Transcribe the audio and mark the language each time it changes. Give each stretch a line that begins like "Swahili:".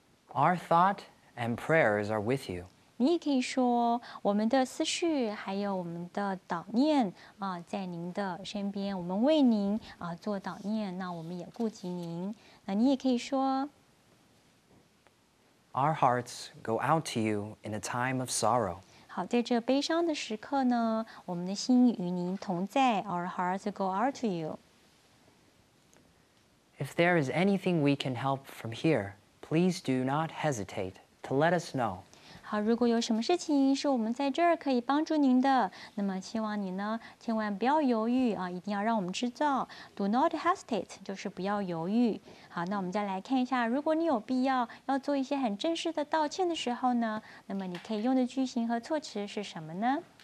English: Our thought and prayers are with you.
Chinese: 你也可以说我们的思绪还有我们的祷念啊，在您的身边，我们为您啊做祷念，那我们也顾及您。那你也可以说
English: ，Our hearts go out to you in a time of sorrow.
Chinese: 好，在这悲伤的时刻呢，我们的心与您同在。
English: Our hearts go out to you. If there is anything we can help from here. Please do not hesitate to let us know.
Chinese: 好，如果有什么事情是我们在这儿可以帮助您的，那么希望你呢千万不要犹豫啊，一定要让我们知道。 Do not hesitate 就是不要犹豫。好，那我们再来看一下，如果你有必要要做一些很正式的道歉的时候呢，那么你可以用的句型和措辞是什么呢